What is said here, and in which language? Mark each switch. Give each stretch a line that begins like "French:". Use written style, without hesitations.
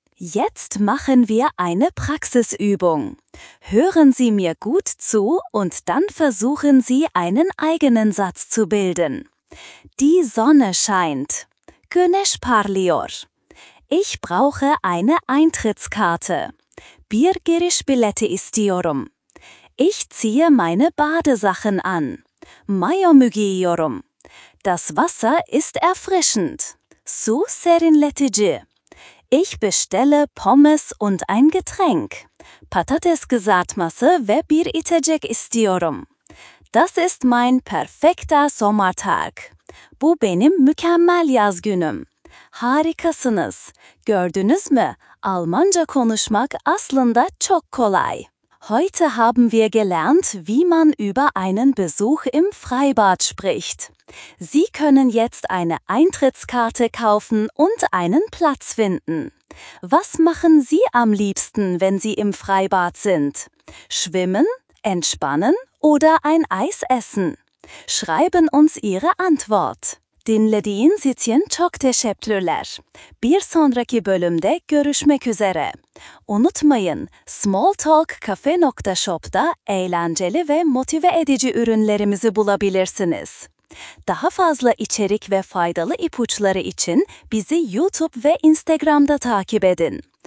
German: Jetzt machen wir eine Praxisübung. Hören Sie mir gut zu und dann versuchen Sie, einen eigenen Satz zu bilden. Die Sonne scheint.
Turkish: Güneş parlıyor.
German: Ich brauche eine Eintrittskarte.
Turkish: Bir girişbileti istiyorum.
German: Ich ziehe meine Badesachen an.
Turkish: Mayomu giyiyorum.
German: Das Wasser ist erfrischend.
Turkish: Su serinletici.
German: Ich bestelle Pommes und ein Getränk.
Turkish: Patates kızartması ve bir içecek istiyorum.
German: Das ist mein perfekter Sommertag.
Turkish: Bu benim mükemmel yaz günüm. Harikasınız. Gördünüz mü? Almanca konuşmak aslında çok kolay.
German: Heute haben wir gelernt, wie man über einen Besuch im Freibad spricht. Sie können jetzt eine Eintrittskarte kaufen und einen Platz finden. Was machen Sie am liebsten, wenn Sie im Freibad sind? Schwimmen, entspannen oder ein Eis essen? Schreiben uns Ihre Antwort.
Turkish: Dinlediğin için çok teşekkürler. Bir sonraki bölümde görüşmek üzere. Unutmayın, smalltalkcafe.shop'ta eğlenceli ve motive edici ürünlerimizi bulabilirsiniz. Daha fazla içerik ve faydalı ipuçları için bizi YouTube ve Instagram'da takip edin.